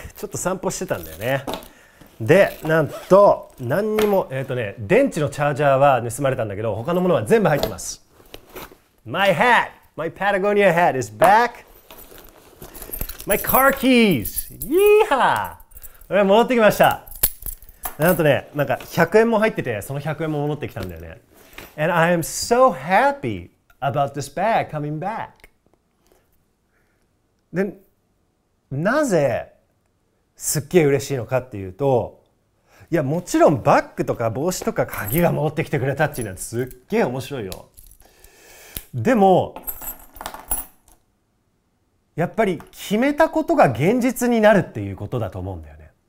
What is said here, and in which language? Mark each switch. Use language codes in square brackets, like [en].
[ja] ちょっと散歩してたんだよね。で、なんと何にも、電池のチャージャーは盗まれたんだけど、他のものは全部入ってます。 [en] My hat! My Patagonia hat is back! My car keys! [ja] Yeehaw! 戻ってきました。なんとね、なんか100円も入ってて、その100円も戻ってきたんだよね。 [en] And I am so happy about this bag coming back! [ja] で、なぜすっげえ嬉しいのかっていうと、いや、もちろんバッグとか帽子とか鍵が戻ってきてくれたっていうのはすっげえ面白いよ。でも、やっぱり決めたことが現実になるっていうことだと思うんだよね。